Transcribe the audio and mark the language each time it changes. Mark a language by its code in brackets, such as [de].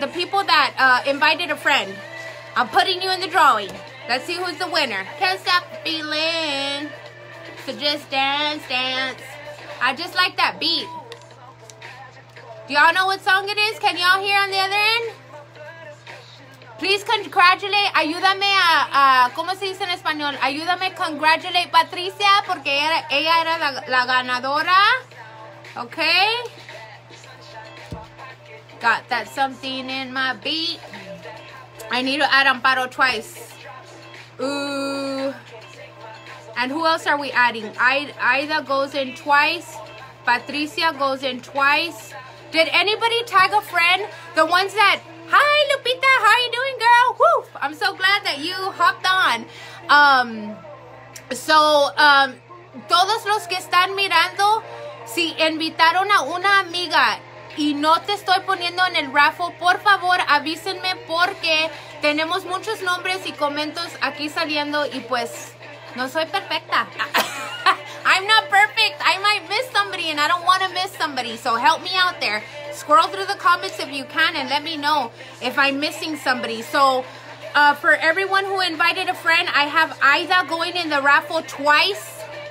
[en] The people that invited a friend. I'm putting you in the drawing. Let's see who's the winner. Can't stop the feeling. So just dance. I just like that beat. Do y'all know what song it is? Can y'all hear on the other end? Please congratulate. [es] Ayúdame a ¿cómo se dice en español? Ayúdame congratulate Patricia porque ella era la ganadora. [en] Okay. Got that something in my beat. I need to add Amparo twice. Ooh. And who else are we adding? Aida goes in twice. Patricia goes in twice. Did anybody tag a friend? The ones that... Hi, Lupita. How are you doing, girl? Woo! I'm so glad that you hopped on. [es] Todos los que están mirando... Si invitaron a una amiga y no te estoy poniendo en el raffle, por favor avísenme porque tenemos muchos nombres y comentarios aquí saliendo y pues no soy perfecta. [en] I'm not perfect. I might miss somebody and I don't want to miss somebody. So help me out there. Scroll through the comments if you can and let me know if I'm missing somebody. So for everyone who invited a friend, I have Aida going in the raffle twice.